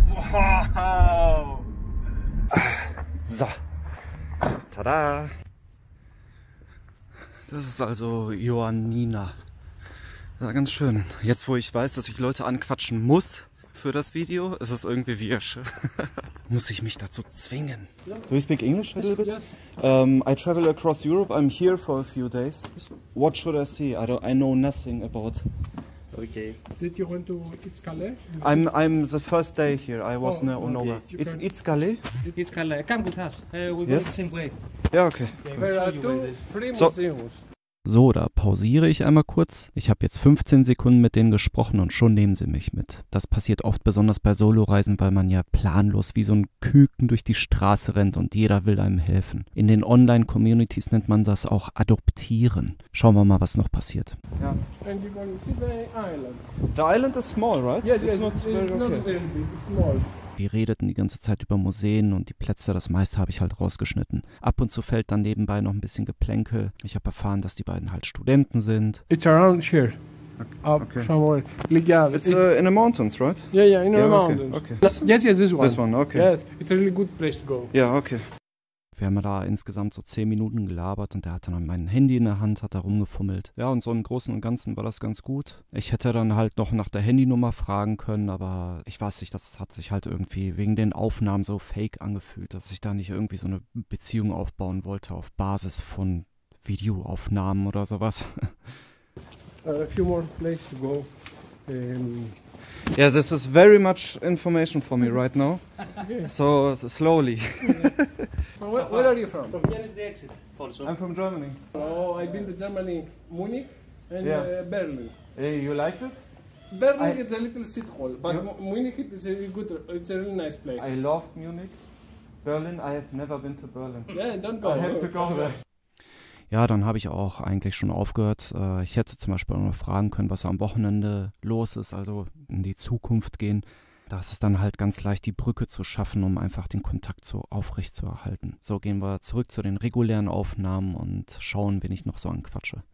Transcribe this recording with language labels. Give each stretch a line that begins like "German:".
German: Wow. So. Tada. Das ist also Ioannina. Ja, ganz schön. Jetzt, wo ich weiß, dass ich Leute anquatschen muss für das Video, ist es irgendwie wirsch. Muss ich mich dazu zwingen?
English: Do you speak English a little bit? I travel across Europe. I'm here for a few days. What should I see? I know nothing about. Okay. Did you want to Itzkale? I'm the first day here. I was Onoga. Okay. It's Itzkale? Itzkale. Come with us. We yes? Go the same way. Yeah, okay. There are two, three museums.
German: So, da pausiere ich einmal kurz. Ich habe jetzt 15 Sekunden mit denen gesprochen und schon nehmen sie mich mit. Das passiert oft besonders bei Solo-Reisen, weil man ja planlos wie so ein Küken durch die Straße rennt und jeder will einem helfen. In den Online-Communities nennt man das auch Adoptieren. Schauen wir mal, was noch passiert. Ja.
English: And you can see the island. The island is small, right? Yes, it's not very big. Okay. It's small.
German: Wir redeten die ganze Zeit über Museen und die Plätze, das meiste habe ich halt rausgeschnitten. Ab und zu fällt dann nebenbei noch ein bisschen Geplänkel. Ich habe erfahren, dass die beiden halt Studenten sind.
English: It's around here. Okay. Somewhere. Legal. It's in the mountains, right? Yeah, yeah, in the mountains. Okay. Yes, yes, this one. This one, okay. Yes, it's a really good place to go. Yeah, okay.
German: Wir haben da insgesamt so 10 Minuten gelabert und er hat dann mein Handy in der Hand, hat da rumgefummelt. Ja, und so im Großen und Ganzen war das ganz gut. Ich hätte dann halt noch nach der Handynummer fragen können, aber ich weiß nicht, das hat sich halt irgendwie wegen den Aufnahmen so fake angefühlt, dass ich da nicht irgendwie so eine Beziehung aufbauen wollte auf Basis von Videoaufnahmen oder sowas.
English: A few more places to go. Yeah, this is very much information for me right now. So, slowly. Where are you from? From here is the exit also. I'm from Germany. Oh, I've been to Germany, Munich and Berlin. Hey, you liked it? Berlin is a little city hall, but Munich is a good, it's a really nice place. I loved Munich. Berlin, I have never been to Berlin. Yeah, don't go. I have to go there.
German: Ja, dann habe ich auch eigentlich schon aufgehört. Ich hätte zum Beispiel noch fragen können, was am Wochenende los ist, also in die Zukunft gehen. Das ist dann halt ganz leicht, die Brücke zu schaffen, um einfach den Kontakt so aufrecht zu erhalten. So gehen wir zurück zu den regulären Aufnahmen und schauen, wen ich noch so anquatsche.